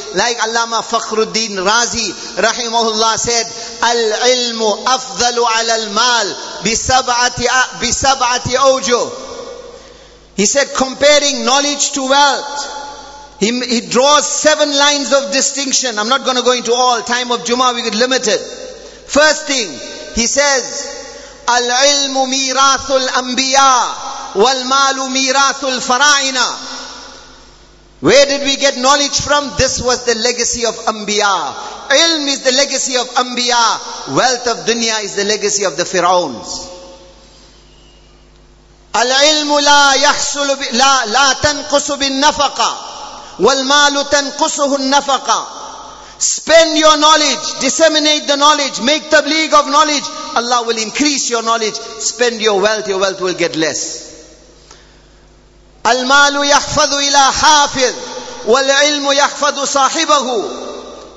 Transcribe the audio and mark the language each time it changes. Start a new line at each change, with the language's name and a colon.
English: Like Allama Fakhruddin Razi rahimahullah said,
Arabic: Al-ilmu afdalu ala al-mal bi-sab'ati awjo.
English: He said, comparing knowledge to wealth, he draws seven lines of distinction. I'm not going to go into all, time of Jummah we get limited. First thing, he says,
Arabic: العلم ميراث الأنبياء والمال ميراث الفراعنة.
English: Where did we get knowledge from? This was the legacy of Anbiya. Ilm is the legacy of Anbiya. Wealth of dunya is the legacy of the Firauns.
Arabic: العلم لا يحصل لا تنقص بالنفقة والمال تنقصه النفقة.
English: Spend your knowledge, disseminate the knowledge, make tabligh of knowledge, Allah will increase your knowledge. Spend your wealth will get less.
Arabic: Al-malu yahfadhu ila hafidh, wal-ilmu yahfadhu sahibahu.